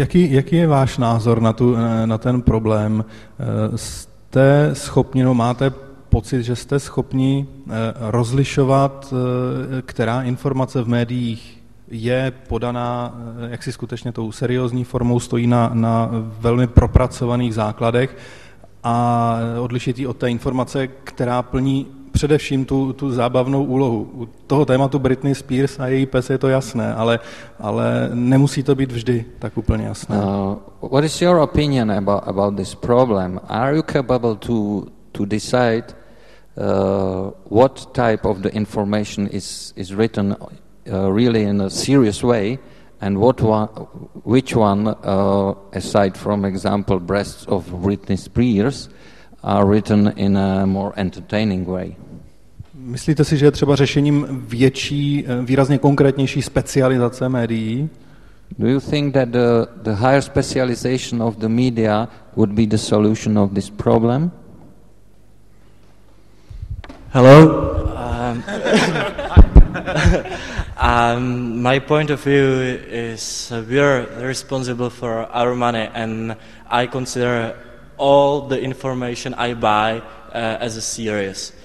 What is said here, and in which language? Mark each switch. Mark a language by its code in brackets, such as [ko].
[cs] Jaký je váš názor na ten problém? Jste schopni, no máte pocit, že jste schopni rozlišovat, která informace v médiích je podaná jaksi skutečně tou seriózní formou, stojí na velmi propracovaných základech, a odlišit ji od té informace, která plní především tu zábavnou úlohu. U toho tématu Britney Spears a její pes je to jasné, ale nemusí to být vždy tak úplně jasné. [en] What is your opinion about this problem? Are you capable to decide what type of the information is written really in a serious way, and which one aside from example breasts of Britney Spears are written in a more entertaining way? Myslíte si, že je třeba řešením větší, výrazně konkrétnější specializace médií? Do you think that the higher specialization of the media would be the solution of this problem? Hello. My point of view is we are responsible for our money, and I consider all the information I buy as a serious.